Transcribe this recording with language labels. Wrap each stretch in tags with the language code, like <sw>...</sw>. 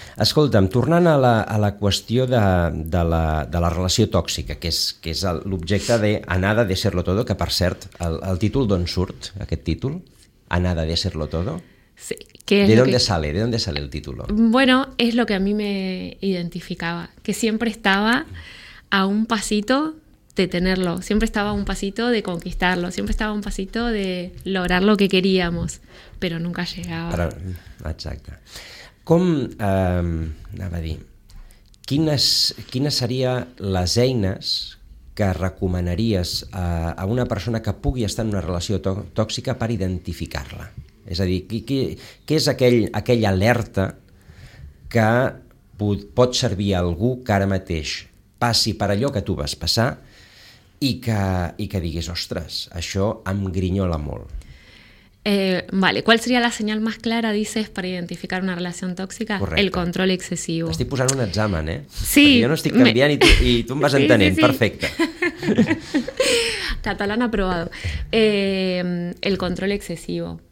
<ca>Escolta'm, tornant a la qüestió de la relació tòxica, que és l'objecte de Anada de serlo todo, que per cert, el títol d'on surt, aquest títol?</ca> <es>Anada de serlo todo? Sí. ¿De dónde sale el título? Bueno, es lo que a mí me identificaba, que siempre estaba a un pasito de tenerlo, siempre estaba a un pasito de conquistarlo, siempre estaba a un pasito de lograr lo que queríamos, pero nunca llegaba.</es> <ca>Però, exacte. Com, anava a dir, quines serien les eines que recomanaries a una persona que pugui estar en una relació tòxica per identificar-la? És a dir, què és aquell alerta que pot servir a algú que ara mateix passi per allò que tu vas passar i que digués, ostres, això em grinyola molt.</ca> <es>Vale, ¿cuál sería la señal más clara, dices, para identificar una relación tóxica?</es> <ca>Correcte.</ca> <es>El control excesivo.</es> <ca>T'estic posant un examen, eh? Sí. Perquè jo no estic canviant i tu em vas entenent. Sí, sí, sí. Perfecte.</ca> <es>Catalán aprobado. El control excesivo.</es>